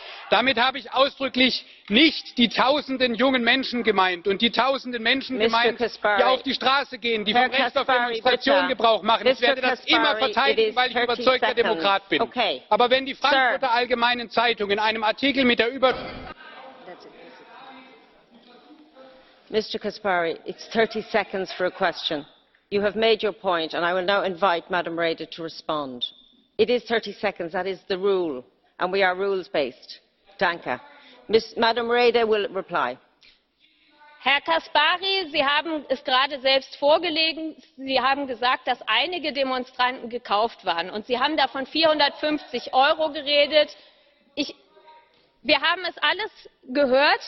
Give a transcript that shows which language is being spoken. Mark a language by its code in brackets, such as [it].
[de] Damit habe ich ausdrücklich nicht die tausenden jungen Menschen gemeint und die tausenden Menschen gemeint, die auf die Straße gehen, die vom Recht auf Demonstration Gebrauch machen. Ich werde das immer verteidigen, weil ich überzeugter Demokrat bin. Aber wenn die Frankfurter Allgemeinen Zeitung in einem Artikel mit der [en] Mr. Kaspari, it's 30 seconds for a question. You have made your point and I will now invite Madam Rader to respond. It is 30 seconds, that is the rule and we are rules based. [de] Danke. [en] Madam Rader will reply. [de] Herr Kaspari, Sie haben es gerade selbst vorgelegt. Sie haben gesagt, dass einige Demonstranten gekauft waren. Und Sie haben da von 450 Euro geredet. Wir haben es alles gehört.